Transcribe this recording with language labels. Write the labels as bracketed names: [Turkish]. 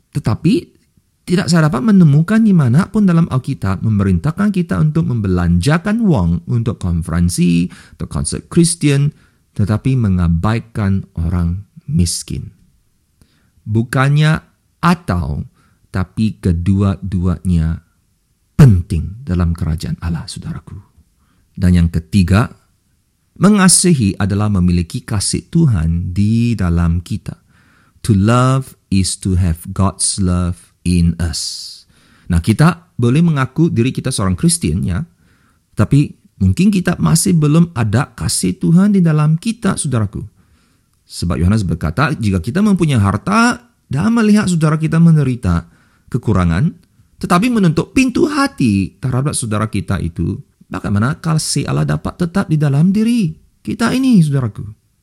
[Indonesian] Tetapi, tidak saya dapat menemukan dimanapun dalam Alkitab memerintahkan kita untuk membelanjakan wang untuk konferensi atau konsert Kristen, tetapi mengabaikan orang miskin. Bukannya atau, tapi kedua-duanya penting dalam kerajaan Allah, saudaraku. Dan yang ketiga, mengasihi adalah memiliki kasih Tuhan di dalam kita. [English] To love is to have God's love in us. [Indonesian] Nah, kita boleh mengaku diri kita seorang Kristen, ya. Tapi mungkin kita masih belum ada kasih Tuhan di dalam kita, saudaraku. Sebab Yohanes berkata, jika kita mempunyai harta dan melihat saudara kita menderita kekurangan, tetapi menutup pintu hati terhadap saudara kita itu, bagaimana kasih Allah dapat tetap di dalam diri kita ini, saudaraku?